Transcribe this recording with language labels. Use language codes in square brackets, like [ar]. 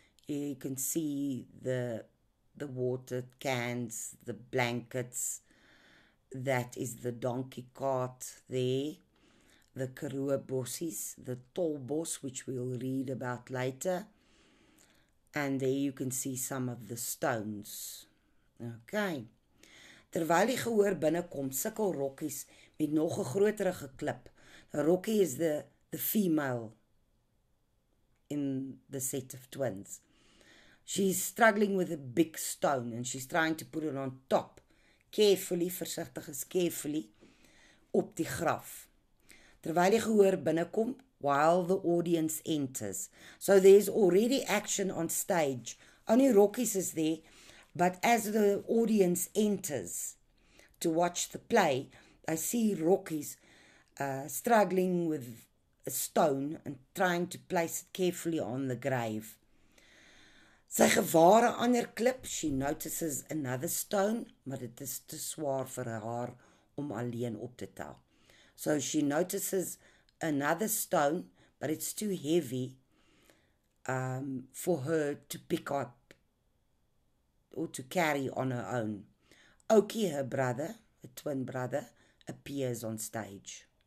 [en] You can see the water cans, the blankets, that is the donkey cart there, the karoo bossies, the tall boss, which we'll read about later, and there you can see some of the stones. Okay. [af] Terwyl die gehoor binnekom, sukkel Rokkies met nog 'n groter geklip. [en] Rokkie is the female in the set of twins. She's struggling with a big stone and she's trying to put it on top. [af] Carefully, versigtig is carefully, op die graf. Terwyl die gehoor binnekom, [en] while the audience enters. So there's already action on stage. Only Rokkies is there. But as the audience enters to watch the play, I see Rokkies struggling with a stone and trying to place it carefully on the grave. [af] Sy gewaar 'n ander klip, [en] she notices another stone, [af] maar dit is te swaar vir haar om alleen op te tel. [en] So she notices another stone, but it's too heavy for her to pick up or to carry on her own. Okie, her brother, a twin brother, appears on stage.